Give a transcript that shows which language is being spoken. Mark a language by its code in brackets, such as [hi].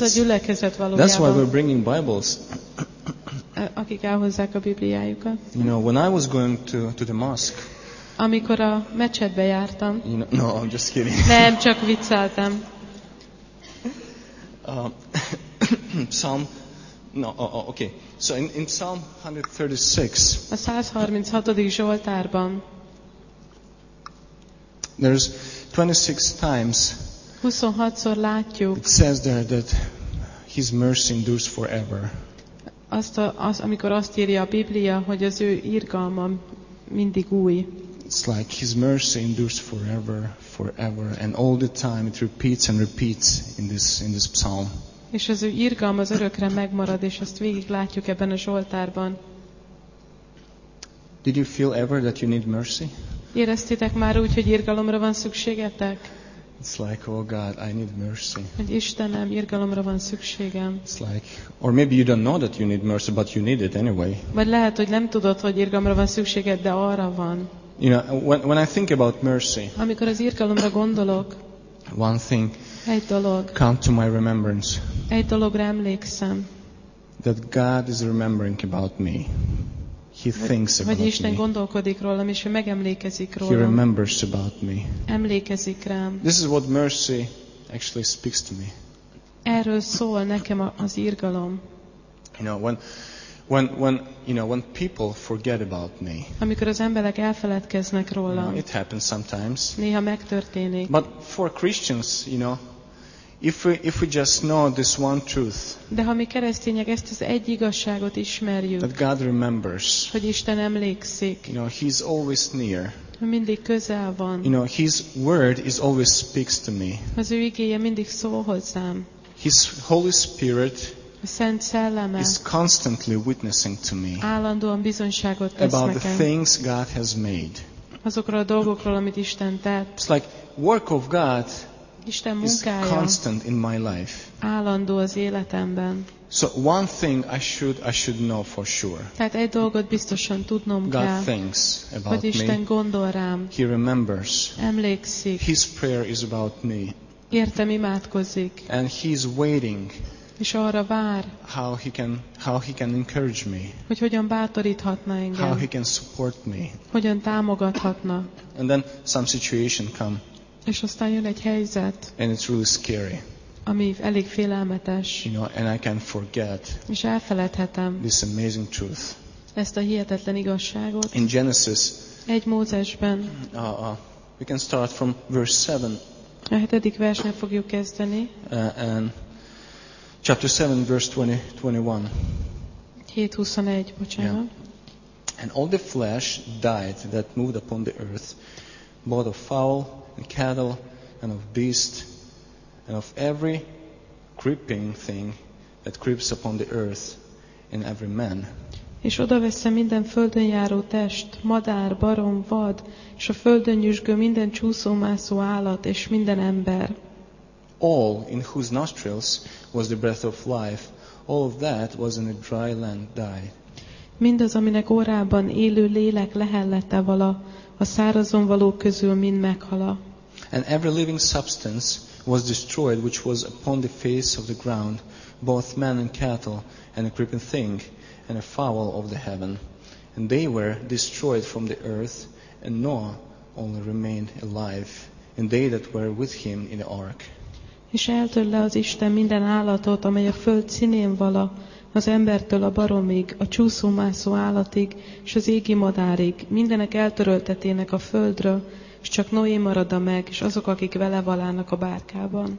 [hu] Ez a gyülekezet valójában. [en] That's why we're bringing Bibles. [hu] Akik elhozzák a Bibliájukat. [en] You know, when I was going to the mosque. [hu] Amikor a mecsetbe jártam. [en] You know, no, I'm just kidding. [hu] Nem, csak vicceltem. [en] Okay. So in Psalm 136. [hu] A 136. Zsoltárban. [en] There's 26 times. [hu] 26-szor látjuk. [en] It says there that his mercy endures forever. [hu] Amikor azt írja a Biblia, hogy az ő irgalma mindig új. [en] It's like his mercy endures forever and all the time it repeats and repeats in this psalm. [hu] És az ő irgalma az örökre megmarad, és ezt végig látjuk ebben a zsoltárban. [en] Did you feel ever that you need mercy? [hu] Éreztétek már úgy, hogy irgalomra van szükségetek? [en] It's like, oh God, I need mercy. [hu] Hogy Istenem, irgalomra van szükségem. [en] It's like, or maybe you don't know that you need mercy, but you need it anyway. [hu] Vagy lehet, hogy nem tudod, hogy irgalomra van szükséged, de arra van. [en] You know, when I think about mercy, [hu] amikor az irgalomra gondolok, [en] one thing, [hu] egy dolog, [en] come to my remembrance. [hu] Egy dologra emlékszem. [en] That God is remembering about me. He thinks about me. [hu] Hogy Isten [en] me. [hu] Gondolkodik rólam, és ő megemlékezik rólam. [en] He remembers about me. [hu] Emlékezik rám. [en] This is what mercy actually speaks to me. [hu] Erről szól nekem az irgalom. [en] You know, when people forget about me. [hu] Amikor az emberek elfeledkeznek rólam. [en] You know, it happens sometimes. [hu] Néha megtörténik. [en] But for Christians, you know, If we just know this one truth. [hu] De ha mi keresztények ezt az egy igazságot ismerjük. [en] That God remembers. [hu] Hogy Isten emlékszik. [en] You know, he's always near. [hu] Mindig közel van. [en] You know, his word is always speaks to me. [hu] Az ő igéje mindig szól hozzám. [en] His Holy Spirit. [hu] A Szent Szelleme. [en] Is constantly witnessing to me. [hu] Állandóan bizonyságot tesz [en] about [hu] nekem. [en] About the things God has made. [hu] Azokról a dolgokról, amit Isten tett. [en] It's like work of God. [hu] Isten munkája [en] constant in my life. [hu] Állandó az életemben. [en] So one thing I should know for sure. [hu] Tehát egy dolgot biztosan tudnom [en] God [hu] kell. [en] God thinks about [hu] hogy Isten [en] me. [hu] Gondol rám. [en] He remembers. [hu] Emlékszik. [en] His prayer is about me. [hu] Értem imádkozik. [en] And he's waiting. [hu] És arra vár. [en] How he can encourage me. [hu] Hogy hogyan bátoríthatna engem. [en] How he can support me. [hu] Hogyan támogathatna. [en] And then some situation come. [hu] És aztán jön egy helyzet, [en] and it's really scary. [hu] Ami elég félelmetes. [en] You know, and I can forget. [hu] És elfeledhetem. [en] This amazing truth. [hu] Ezt a hihetetlen igazságot. [en] In Genesis. [hu] Egy Mózesben. [en] We can start from verse 7. [hu] A hetedik versnél fogjuk kezdeni. [en] And chapter 7 verse 21. [hu] 7:21, bocsánat. [en] Yeah. And all the flesh died that moved upon the earth, both of fowl and cattle, and of beast, and of every creeping thing that creeps upon the earth, and every man. [hu] És odavesszem minden földön járó test, madár, barom, vad, és a földön nyüzsgő minden csúszómászó állat, és minden ember. [en] All in whose nostrils was the breath of life, all of that was in a dry land died. [hu] Mindaz, aminek órában élő lélek lehellette vala, a szárazon való közül mind meghala. [en] And every living substance was destroyed which was upon the face of the ground, both man and cattle, and a creeping thing, and a fowl of the heaven. And they were destroyed from the earth, and Noah only remained alive, and they that were with him in the ark. [hu] És eltör le az Isten minden állatot, amely a föld színén vala, az embertől a baromig, a csúszómászó állatig, és az égi madárig, mindenek eltöröltetének a földről, és csak Noé marad a meg, és azok, akik vele valának a bárkában.